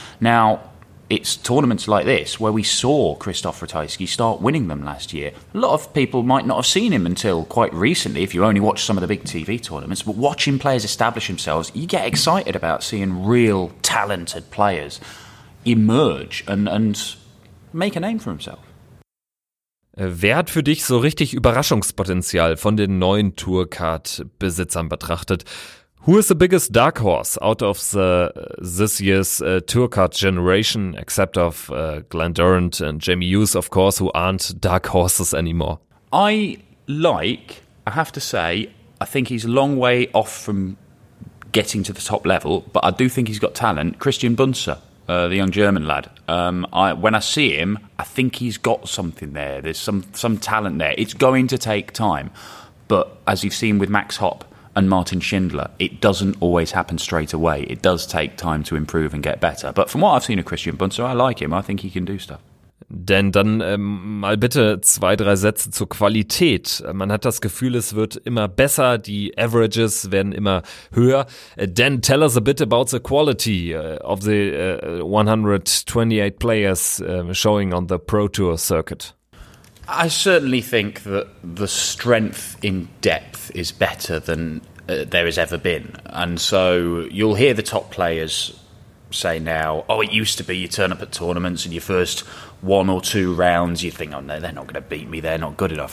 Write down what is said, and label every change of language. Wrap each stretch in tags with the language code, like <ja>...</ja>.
<en>Now, it's tournaments like this where we saw Krzysztof Rutajski start winning them last year. A lot of people might not have seen him until quite recently if you only watch some of the big TV tournaments, but watching players establish themselves, you get excited about seeing real talented players emerge and make a name for himself.</en> <de>Wer hat für dich so richtig Überraschungspotenzial von den neuen Tourcard-Besitzern betrachtet?</de> <en>Who is the biggest dark horse out of the, this year's Tourcard generation, except of Glenn Durrant and Jamie Hughes, of course, who aren't dark horses anymore? I think he's a long way off from getting to the top level, but I do think he's got talent. Christian Bunzer. The young German lad. When I see him, I think he's got something there. There's some talent there. It's going to take time. But as you've seen with Max Hopp and Martin Schindler, it doesn't always happen straight away. It does take time to improve and get better. But from what I've seen of Christian Bunzer, I like him. I think he can do stuff.</en> <de>Denn dann mal bitte zwei, drei Sätze zur Qualität. Man hat das Gefühl, es wird immer besser, die Averages werden immer höher.</de> <en>Then tell us a bit about the quality of the 128 players showing on the Pro Tour circuit. I certainly think that the strength in depth is better than there has ever been. And so you'll hear the top players say now, oh, it used to be you turn up at tournaments and your first one or two rounds, you think, oh, no, they're not going to beat me, they're not good enough.</en>